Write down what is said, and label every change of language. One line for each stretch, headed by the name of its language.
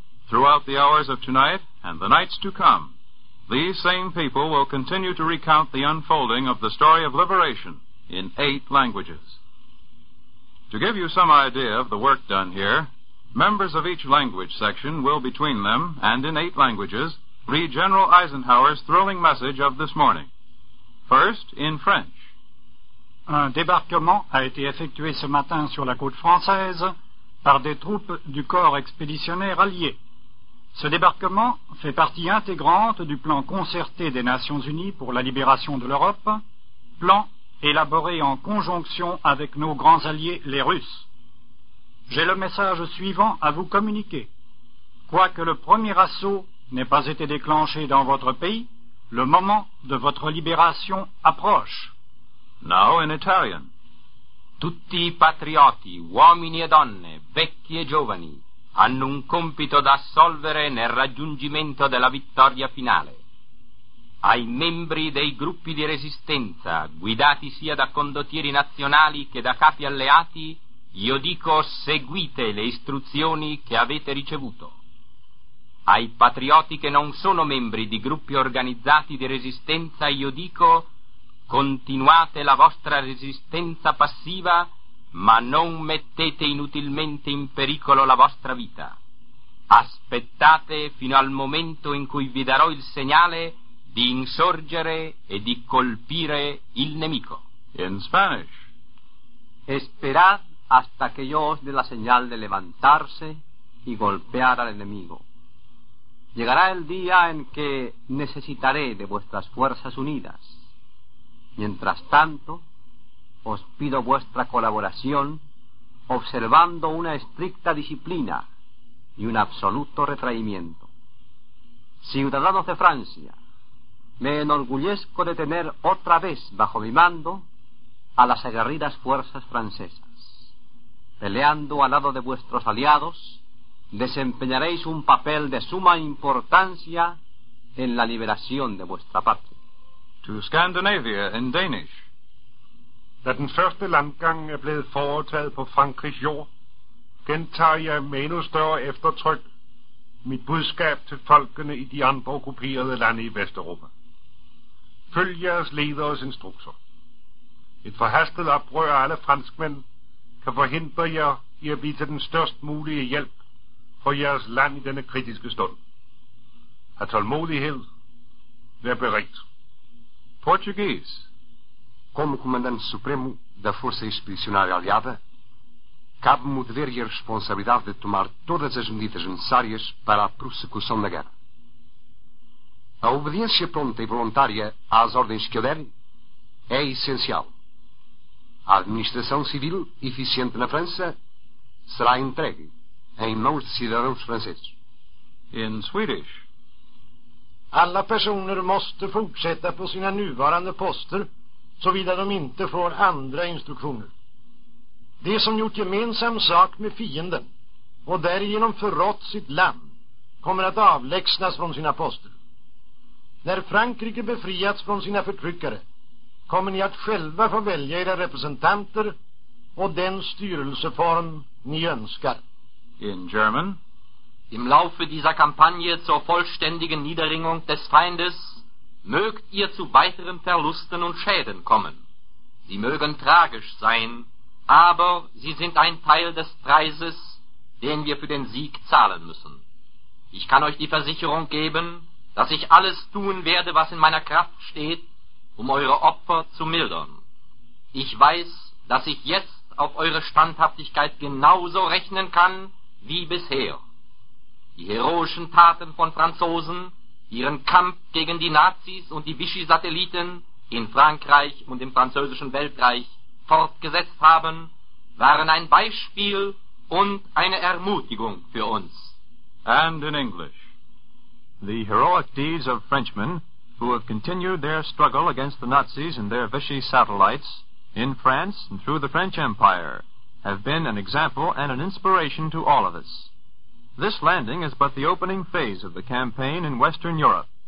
English: Throughout the hours of tonight and the nights to come, these same people will continue to recount the unfolding of the story of liberation in 8 languages. To give you some idea of the work done here, members of each language section will, between them and in 8 languages, read General Eisenhower's thrilling message of this morning. First, in French.
French: Un débarquement a été effectué ce matin sur la côte française par des troupes du corps expéditionnaire allié. Ce débarquement fait partie intégrante du plan concerté des Nations Unies pour la libération de l'Europe, plan élaboré en conjonction avec nos grands alliés, les Russes. J'ai le message suivant à vous communiquer. Quoique le premier assaut n'ait pas été déclenché dans votre pays, le moment de votre libération approche.
English: Now in Italian.
Italian: Tutti i patrioti, uomini e donne, vecchi e giovani, hanno un compito da assolvere nel raggiungimento della vittoria finale. Ai membri dei gruppi di resistenza, guidati sia da condottieri nazionali che da capi alleati, io dico seguite le istruzioni che avete ricevuto. Ai patrioti che non sono membri di gruppi organizzati di resistenza, io dico continuate la vostra resistenza passiva, ma non mettete inutilmente in pericolo la vostra vita. Aspettate fino al momento in cui vi darò il segnale di insorgere e di colpire il nemico.
English: In Spanish.
Spanish: Esperad hasta que yo os dé la señal de levantarse y golpear al enemigo. Llegará el día en que necesitaré de vuestras fuerzas unidas. Mientras tanto, os pido vuestra colaboración observando una estricta disciplina y un absoluto retraimiento. Ciudadanos de Francia, me enorgullezco de tener otra vez bajo mi mando a las aguerridas fuerzas francesas. Peleando al lado de vuestros aliados, desempeñaréis un papel de suma importancia en la liberación de vuestra patria.
English: To Scandinavia in Danish.
Danish: Da den første landgang blevet foretaget på Frankrigs jord, gentager jeg med endnu større eftertryk mit budskab til folkene i de andre okkuperede lande i Vesteuropa. Følg jeres leders instrukser. Et forhastet oprør af alle franskmænd kan forhindre jer i at blive til den størst mulige hjælp for jeres land i denne kritiske stund. Ha tålmodighed. Vær beredt. Portugis.
Portuguese: Como comandante supremo da Força Expedicionária Aliada, cabe-me o dever e a responsabilidade de tomar todas as medidas necessárias para a prosecução da guerra. A obediência pronta e voluntária às ordens que eu der é essencial. A administração civil eficiente na França será entregue em mãos de cidadãos franceses.
English: In Swedish.
Swedish: Alla personer måste fortsätta på sina nuvarande poster såvida de inte får andra instruktioner. De som gjort gemensam sak med fienden och därigenom förrått sitt land kommer att avlägsnas från sina poster. När Frankrike befriats från sina förtryckare kommer ni att själva få välja era representanter och den styrelseform ni önskar.
English: In German.
German: Im Laufe dieser Kampagne zur vollständigen Niederringung des Feindes mögt ihr zu weiteren Verlusten und Schäden kommen. Sie mögen tragisch sein, aber sie sind ein Teil des Preises, den wir für den Sieg zahlen müssen. Ich kann euch die Versicherung geben, dass ich alles tun werde, was in meiner Kraft steht, um eure Opfer zu mildern. Ich weiß, dass ich jetzt auf eure Standhaftigkeit genauso rechnen kann wie bisher. Die heroischen Taten von Franzosen, ihren Kampf gegen die Nazis und die Vichy-Satelliten in Frankreich und im französischen Weltreich fortgesetzt haben, waren ein Beispiel und eine Ermutigung für uns.
English: And in English. The heroic deeds of Frenchmen who have continued their struggle against the Nazis and their Vichy satellites in France and through the French Empire have been an example and an inspiration to all of us. This landing is but the opening phase of the campaign in Western Europe.